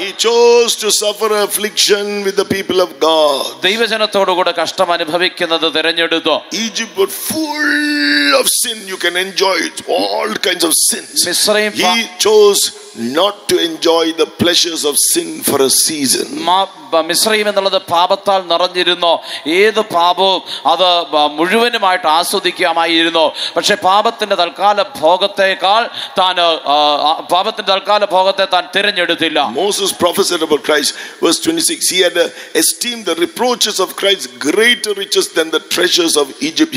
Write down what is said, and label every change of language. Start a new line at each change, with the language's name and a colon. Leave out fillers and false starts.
English: He chose to suffer affliction with the people of God.
Malayalam: ദൈവജനത്തോട് കൂടെ കഷ്ടം അനുഭവിക്കുന്നത് തിരഞ്ഞെടുത്തു.
English: Egypt full of sin, you can enjoy it, all kinds of sins.
Malayalam: മിസ്രയീം
English: He chose not to enjoy the pleasures of sin for a season.
Malayalam: മിസ്രയീം എന്നുള്ളത് പാപത്താൽ നിറഞ്ഞിരുന്നു. ഏത് പാപവും അത് മുഴുവനുമായിട്ട് ആസ്വദിക്കാമായിരുന്നു. പക്ഷെ പാപത്തിന്റെ തൽക്കാല ഭോഗത്തെ താൻ തിരഞ്ഞെടുത്തില്ല.
English: Moses prophesied about Christ, verse 26. He had esteemed the reproaches of Christ greater riches than the treasures of Egypt.